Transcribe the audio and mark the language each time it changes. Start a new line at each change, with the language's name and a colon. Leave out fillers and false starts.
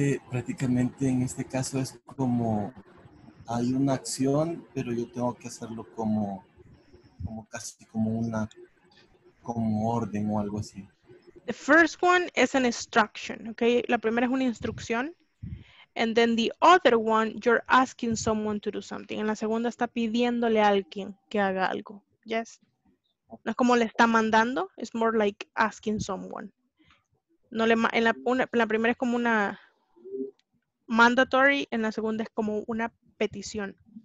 Spanish: Prácticamente en este caso es como hay una acción, pero yo tengo que hacerlo como, como casi como una, como orden o algo así.
English: The first one is an instruction. Ok,
Spanish: la primera es una instrucción.
English: And then the other one, you're asking someone to do something.
Spanish: En la segunda está pidiéndole a alguien que haga algo. Yes. No es como le está mandando,
English: it's more like asking someone.
Spanish: No le, en la, una, la primera es como una mandatory, en la segunda es como una petición.